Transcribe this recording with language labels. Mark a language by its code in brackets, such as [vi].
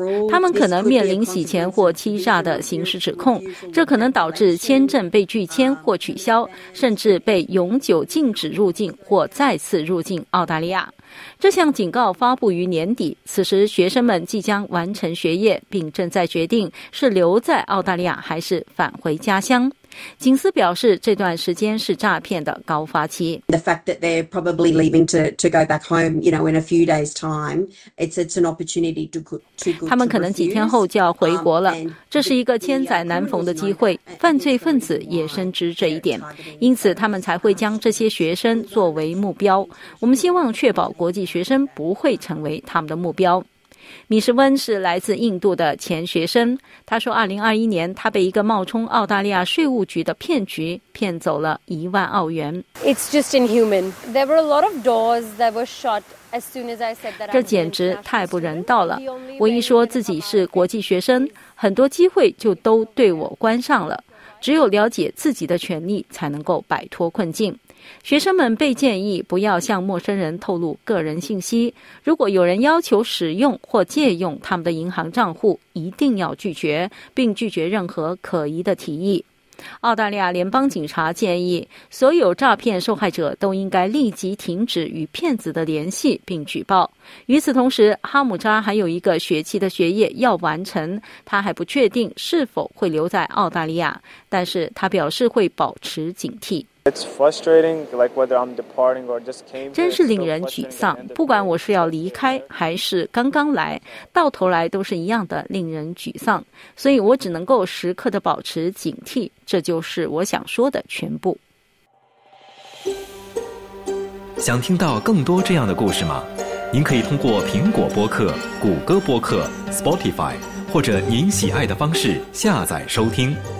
[zh] 他们可能面临洗钱或欺诈的刑事指控，这可能导致签证被拒签或取消，甚至被永久禁止入境或再次入境澳大利亚。这项警告发布于年底，此时学生们即将完成学业，并正在决定是留在澳大利亚还是返回家乡。警司表示，这段时间是诈骗的高发期。 [en] The fact that they're probably leaving to go back home, you know, in a few days' time, it's an opportunity to go. [zh] 他们可能几天后就要回国了，这是一个千载难逢的机会。犯罪分子也深知这一点，因此他们才会将这些学生作为目标。我们希望确保国际学生不会成为他们的目标。米什温是来自印度的前学生，他说2021年他被一个冒充澳大利亚税务局的骗局骗走了10,000澳元。 [en] It's just inhuman. There were a lot of doors that were shut as soon as I said that. [zh] 这简直太不人道了，我一说自己是国际学生，很多机会就都对我关上了，只有了解自己的权利才能够摆脱困境。学生们被建议不要向陌生人透露个人信息，如果有人要求使用或借用他们的银行账户，一定要拒绝，并拒绝任何可疑的提议。澳大利亚联邦警察建议，所有诈骗受害者都应该立即停止与骗子的联系并举报。与此同时，哈姆扎还有一个学期的学业要完成，他还不确定是否会留在澳大利亚，但是他表示会保持警惕。 [en] It's frustrating, like whether I'm departing or just came. [zh] 真是令人沮丧，不管我是要离开还是刚刚来，到头来都是一样的令人沮丧。所以我只能够时刻的保持警惕，这就是我想说的全部。想听到更多这样的故事吗？您可以通过苹果播客、谷歌播客、Spotify 或者您喜爱的方式下载收听。